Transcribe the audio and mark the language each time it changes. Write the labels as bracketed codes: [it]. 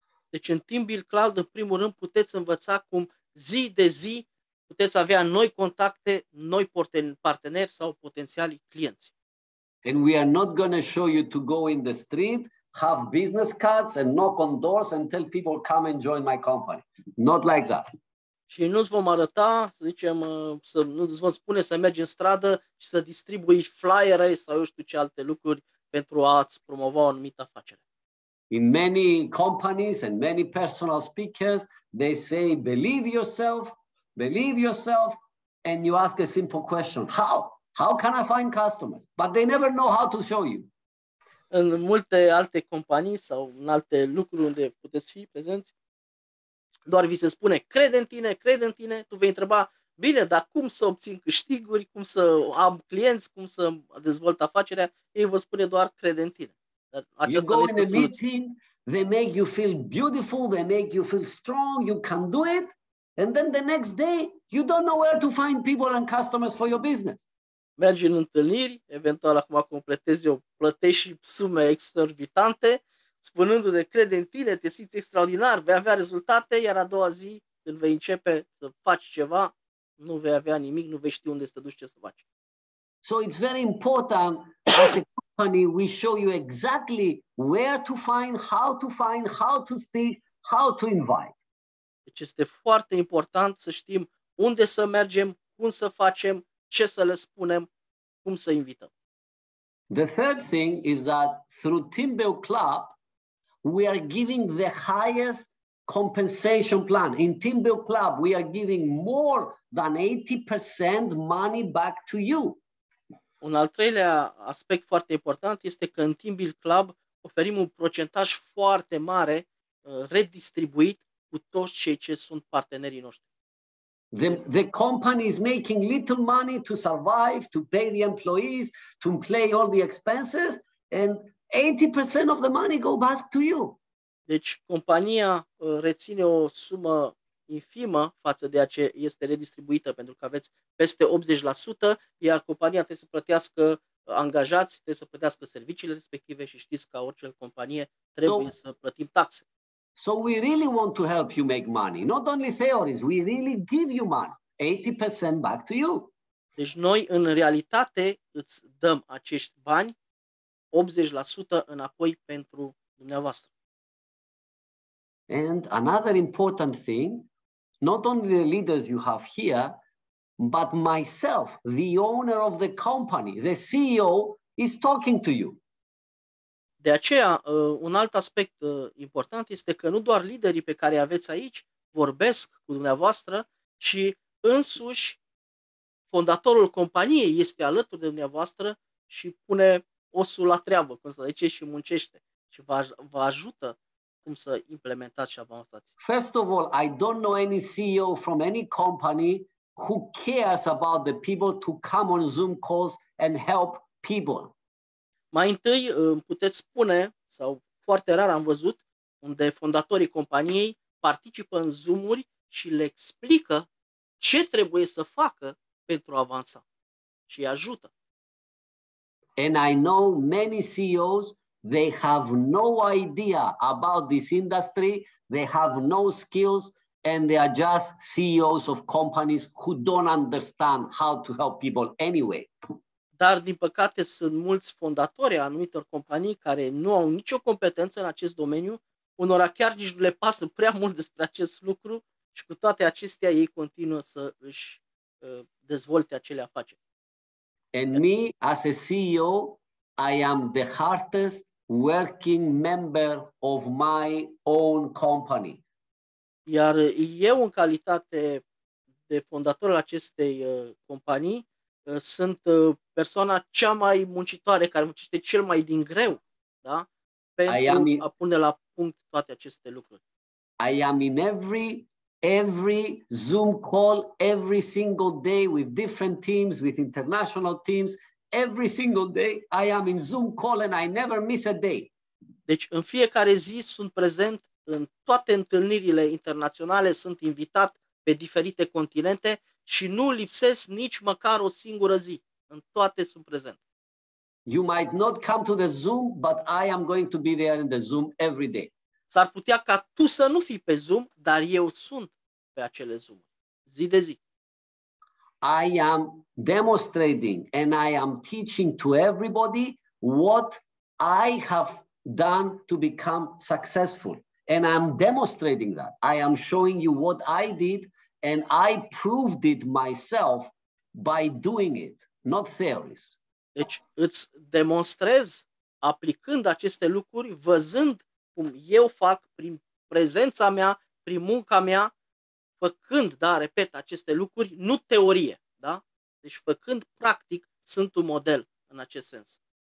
[ro] Deci în Timbill Cloud, în primul rând, puteți învăța cum zi de zi puteți avea noi contacte, noi parteneri sau potențiali clienți. [en] And we are not going to show you to go in the street, have business cards and knock on doors and tell people come and join my company. Not like that. [ro] Și nu-ți vom arăta, să zicem, să nu-ți vom spune să mergi în stradă și să distribui flyere sau eu știu ce alte lucruri pentru a-ți promova o anumită afacere. [en] In many companies and many personal speakers, they say, believe yourself, and you ask a simple question, how? How can I find customers? But they never know how to show you. [ro] În multe alte companii sau în alte lucruri unde puteți fi prezenți, doar vi se spune, crede în tine, tu vei întreba, bine, dar cum să obțin câștiguri, cum să am clienți, cum să dezvolt afacerea? Ei vă spune doar, crede în tine. [en] You go in a meeting, they make you feel beautiful, they make you feel strong, you can do it, and then the next day, you don't know where to find people and customers for your business. [ro] Mergi în întâlniri, eventual acum completezi, eu plătești sume exorbitante, spunându-te, crede în tine, te simți extraordinar, vei avea rezultate, iar a doua zi când vei începe să faci ceva, nu vei avea nimic, nu vei ști unde să te duci, ce să faci. [en] So it's very important as a company we show you exactly where to find, how to find, how to speak, how to invite. [ro] Deci este foarte important să știm unde să mergem, cum să facem, ce să le spunem, cum să invităm. [en] The third thing is that through Timbell Club we are giving the highest compensation plan. In Timbell Club we are giving more than 80% money back to you. [ro] Un al treilea aspect foarte important este că în Timbell Club oferim un procentaj foarte mare redistribuit cu toți cei ce sunt partenerii noștri. [en] The company is making little money to survive, to pay the employees, to pay all the expenses, and 80% of the money go back to you. [ro] Deci compania reține o sumă infimă față de ce este redistribuită, pentru că aveți peste 80%, iar compania trebuie să plătească angajați, trebuie să plătească serviciile respective și știți că orice companie trebuie să plătim taxe. [en] So we really want to help you make money. Not only theories, we really give you money. 80% back to you. [ro] Deci noi în realitate îți dăm acești bani, 80% înapoi pentru dumneavoastră. [en] And another important thing, not only the leaders you have here, but myself, the owner of the company, the CEO, is talking to you. [ro] De aceea, un alt aspect important este că nu doar liderii pe care îi aveți aici vorbesc cu dumneavoastră, ci însuși fondatorul companiei este alături de dumneavoastră și pune osul la treabă, cum să zice, și muncește și vă ajută cum să implementați și avansați. [en] First of all, I don't know any CEO from any company who cares about the people to come on Zoom calls and help people. [ro] Mai întâi, puteți spune, sau foarte rar am văzut, unde fondatorii companiei participă în Zoom-uri și le explică ce trebuie să facă pentru a avansa și îi ajută. [en] And I know many CEOs, they have no idea about this industry, they have no skills, and they are just CEOs of companies who don't understand how to help people anyway. [ro] Dar, din păcate, sunt mulți fondatori a anumitor companii care nu au nicio competență în acest domeniu, unora chiar nici nu le pasă prea mult despre acest lucru și cu toate acestea ei continuă să își dezvolte acele afaceri. [en] And me, as a CEO, I am the hardest working member of my own company. [ro] Iar eu, în calitate de fondator al acestei companii, sunt persoana cea mai muncitoare, care muncește cel mai din greu, da? Pentru a pune la punct toate aceste lucruri. [en] I am in every Zoom call, every single day with different teams, with international teams, every single day I am in Zoom call and I never miss a day. [ro] Deci în fiecare zi sunt prezent în toate întâlnirile internaționale, sunt invitat pe diferite continente și nu lipsesc nici măcar o singură zi. În toate sunt prezent. [en] You might not come to the Zoom, but I am going to be there in the Zoom every day. [ro] S-ar putea ca tu să nu fii pe Zoom, dar eu sunt pe acele Zoom, zi de zi. [en] I am demonstrating and I am teaching to everybody what I have done to become successful. And I am demonstrating that. I am showing you what I did. And I proved it myself by doing it, not theories. [ro] Deci îți demonstrez aplicând aceste lucruri, văzând cum eu fac prin prezența mea, prin munca mea, făcând, da, repet, aceste lucruri, nu teorie, da? Deci făcând practic, sunt un model în acest sens.